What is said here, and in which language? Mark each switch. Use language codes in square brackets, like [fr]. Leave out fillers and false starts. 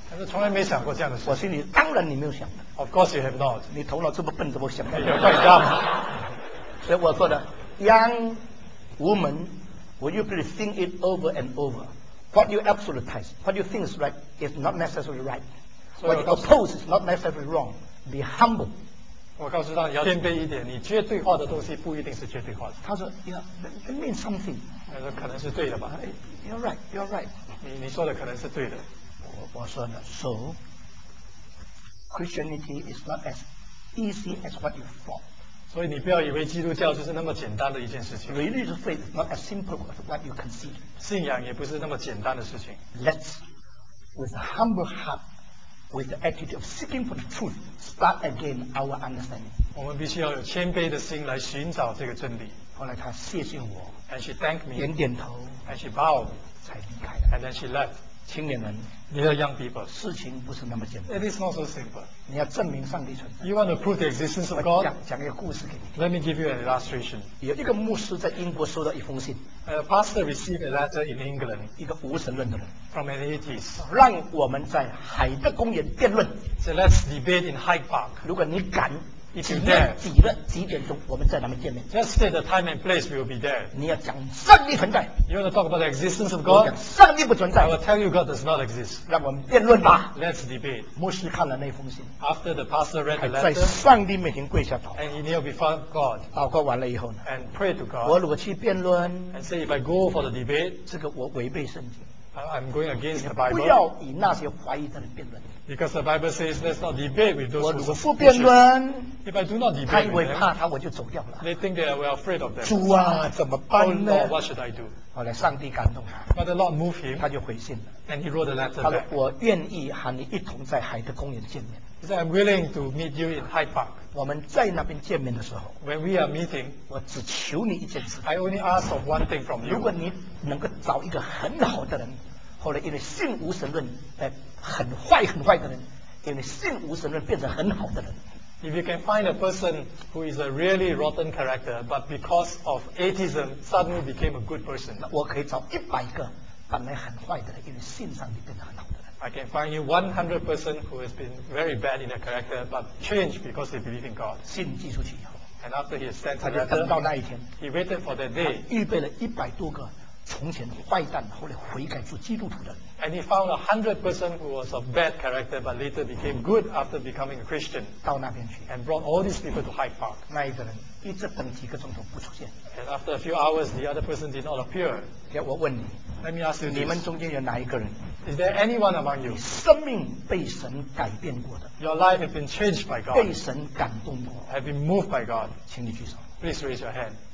[zh] 他说从来没想过这样的事。我心里当然你没有想的。 [en] Of course you have not。 [zh] 你头脑这么笨，怎么想的？有怪招。所以我说的 [en] ，Young woman, will you please think it over and over? What you absolutize, what you think is right, is not necessarily right. What you oppose is not necessarily wrong. Be humble. [zh] 我告诉他你要谦卑一点，你绝对化的东西不一定是绝对化的。他说 [en] ，Yeah, it means something. [zh] 他说可能是对的吧。 [en] You're right. You're right. [zh] 你说的可能是对的。我说呢 [en] ，So Christianity is not as easy as what you thought. [zh] 所以你不要以为基督教就是那么简单的一件事情。 [en] Religious faith is not as simple as what you consider. [zh] 信仰也不是那么简单的事情。 [en] Let's, with a humble heart, with the attitude of seeking for the truth, start again our understanding. [zh] 我们必须要有谦卑的心来寻找这个真理。后来他谢谢我 [en] ，and she thanked me. [zh] 点点头 [en] ，and she bowed. [zh] 才离开了 [en] ，and then she left. [zh] 青年人。 [en] You are young people. [zh] 事情不是那么简单。 [en] It is not so simple. [zh] 你要证明上帝存在。 [en] You want to prove the existence of God? [zh] 讲一个故事给你。 [en] Let me give you an illustration. [zh] 有一个牧师在英国收到一封信。 [en] A pastor received a letter in England. [zh] 一个无神论的人。 [en] From an atheist. [zh] 让我们在海德公园辩论。 [en] So let's debate in Hyde Park. [zh] 如果你敢。 [en] If you dare, [zh] 几了几点钟我们在那边见面 [en] ？Just say the time and place will be there. [zh] 你要讲上帝存在。 [en] You want to talk about the existence of God? [zh] 上帝不存在。 [en] I will tell you God does not exist. [zh] 让我们辩论吧。 [en] Let's debate. [zh] 牧师看了那封信。 [en] After the pastor read the letter, [zh] 在上帝面前跪下祷告。 [en] And he kneeled before God. [zh] 祷告完了以后呢 [en] ？And pray to God. [zh] 我如果去辩论 [en] ，And say if I go for the debate, [zh] 这个我违背圣经。 [en] I'm going against the Bible. [zh] 不要以那些怀疑的人辩论。 [en] Because the Bible says, let's not debate with those who are suspicious. If I do not debate with them, [zh] 他我就走掉了。 [en] They think they are afraid of them. [zh] 主啊，怎么办呢 [en] ？Oh Lord, what should I do? [zh] 后来上帝感动他。 [en] But the Lord moved him. [zh] 他就回信了。 [en] And he wrote a letter. [zh] 他说：“我愿意和你一同在海德公园见面。” [en] He said, "I'm willing to meet you in Hyde Park." [zh] 我们在那边见面的时候 [en] ，When we are meeting, [zh] 我只求你一件事。 [en] I only ask of one thing from you. [zh] 如果你能够找一个很好的人，后来因为信无神论，很坏很坏的人，因为信无神论变成很好的人。 [en] If you can find a person who is a really rotten character, but because of atheism, suddenly became a good person. [zh] 我可以找一百个本来很坏的人，因为信上帝变得很好的人。 [en] I can find you 100 person who has been very bad in their character, but changed because they believe in God. [zh] 信寄出去以后。 [en] And after he has sent the [zh] letter, 他就等到那一天。 [en] He waited for that day. [zh] 预备了一百多个。从前坏蛋，后来悔改做基督徒的。 [en] And he found 100 person who was of bad character, but later became good after becoming a Christian. [zh] 到那边去。 [en] And brought all these people to Hyde Park. [zh] 那一个人一直等几个钟头不出现。 [en] And after a few hours, the other person did not appear. [zh] 我问你 [en] ，Let me ask you this. [zh] 你们中间有哪一个人 [en] ？Is there anyone among you? [zh] 生命被神改变过的。 [en] Your life has been changed by God. [zh] 被神感动过。 [en] Have been moved by God. [zh] 请你举手。 [en] Please raise your hand.